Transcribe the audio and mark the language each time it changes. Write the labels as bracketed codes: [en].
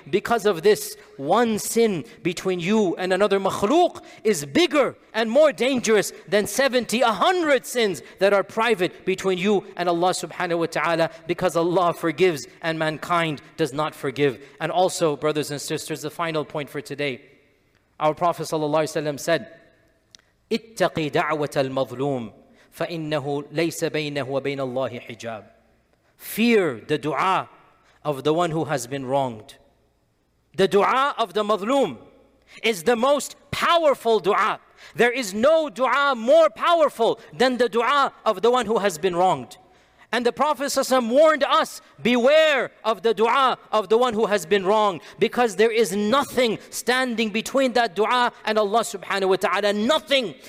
[en] Because of this, one sin between you and another makhluq is bigger and more dangerous than 70, 100 sins that are private between you and Allah subhanahu wa ta'ala, because Allah forgives and mankind does not forgive. And also, brothers and sisters, the final point for today. Our Prophet sallallahu alaihi wasallam said, [ar] اتَّقِ دَعْوَةَ الْمَظْلُومِ فَإِنَّهُ لَيْسَ بَيْنَهُ وَبَيْنَ اللَّهِ حِجَابٍ. [en] Fear the dua of the one who has been wronged. The dua of the mazloom is the most powerful dua. There is no dua more powerful than the dua of the one who has been wronged. And the Prophet ﷺ warned us, beware of the dua of the one who has been wronged, because there is nothing standing between that dua and Allah subhanahu wa ta'ala. Nothing.